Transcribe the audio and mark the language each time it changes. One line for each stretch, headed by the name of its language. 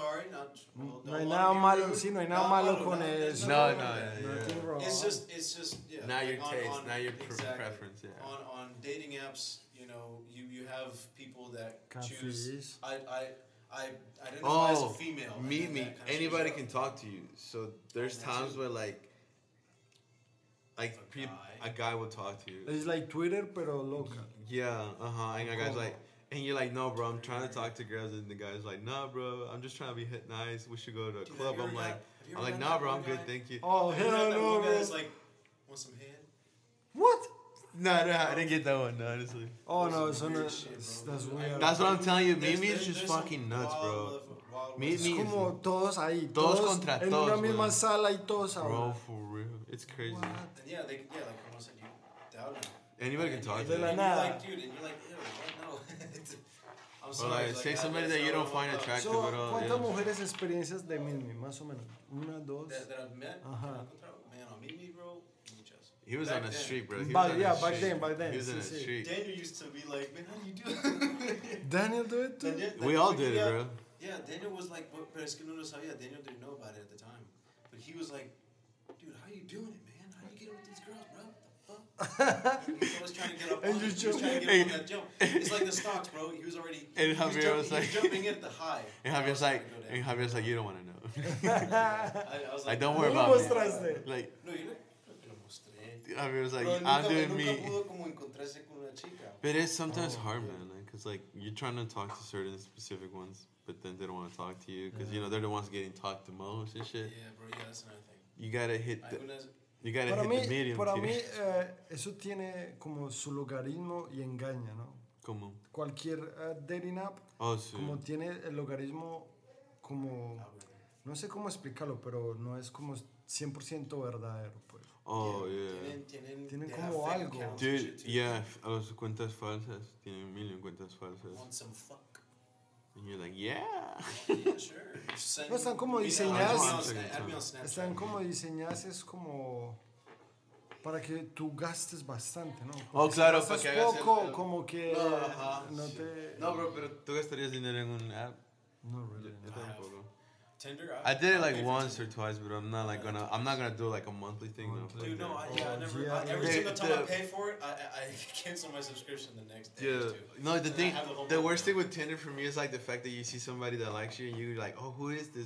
Spanish: No hay nada malo, sí, no hay nada malo con eso. No,
English: It's just, yeah. Now your taste, now your exactly. preference, yeah. On dating apps, you know, you have people that choose. I I identify as a female. Me. Anybody can talk to you. So there's times where a guy will talk to you. It's like Twitter,
Spanish: pero loca.
English: Yeah. Uh huh. And a guy's like, and you're like, no, bro, I'm trying to talk to girls, and the guy's like, nah, bro, I'm just trying to be hit nice. We should go to a club. I'm like, nah, bro, I'm good, thank you. Oh, hell no, bro. Guy that's like, want some head? What? Nah, I didn't get that one, honestly. Oh, no, it's on that's weird. That's what I'm telling you. Mimi is just fucking nuts, bro. Mimi is
Spanish: como todos ahí. Todos contra todos. En una misma sala y todos ahora.
English: Bro, for real. It's crazy. Yeah, like, I said, you doubt him. Anybody can talk to you. Like, dude, and you're like, ew, what? No. I'm sorry. Like, say somebody that you don't find attractive at all.
Spanish: So, ¿cuántas mujeres experiencias de Mimi, más o menos? Una, dos.
English: That I've met? Man, on Mimi, bro. He was back on the street, bro. Back then. He was in the street. Daniel used to be like, man, how do you do it? Daniel do it too? We all did it, bro. Yeah, Daniel was like, what Pereskinuno saw. Yeah, Daniel didn't know about it at the time. But he was like, dude, how you doing it, man? How you getting with these girls, bro? What the fuck? He was trying to get up on that jump. It's like the stocks, bro. He was already Javier was like, you don't want to know. I was like, don't worry about it. Like, no, you know. I was like,
Spanish: nunca,
English: I'm doing me.
Spanish: Con
English: but it's sometimes hard, man. Because, like, you're trying to talk to certain specific ones, but then they don't want to talk to you. Because, you know, they're the ones getting talked to most and shit. Yeah, bro, yeah, that's another thing. You gotta hit the, medium.
Spanish: Para mí, eso tiene como su logaritmo y engaña, ¿no? ¿Cómo? Cualquier dating app. Oh, sí. Como tiene el logaritmo como. No sé cómo explicarlo, pero no es como 100% verdadero.
English: Oh, yeah.
Spanish: Tienen como algo.
English: Dude, yeah,
Spanish: a las cuentas falsas. Tienen million cuentas falsas.
English: Want some fuck. And you're like, yeah. Yeah, sure.
Spanish: No, están como diseñadas. Están como diseñadas, es como para que tú gastes bastante, ¿no? Oh, claro. Es poco, como que no te... No, bro, pero tú gastarías dinero en un app.
English: No, really.
Spanish: Yo tampoco.
English: Tinder, I did it like once Tinder. Or twice, but I'm not like gonna. I'm not gonna do like a monthly thing. Dude, no, I never. Every single time I pay for it, I cancel my subscription the next day. Yeah. No, the worst thing with Tinder for me is like the fact that you see somebody that likes you and you're like, oh, who is this?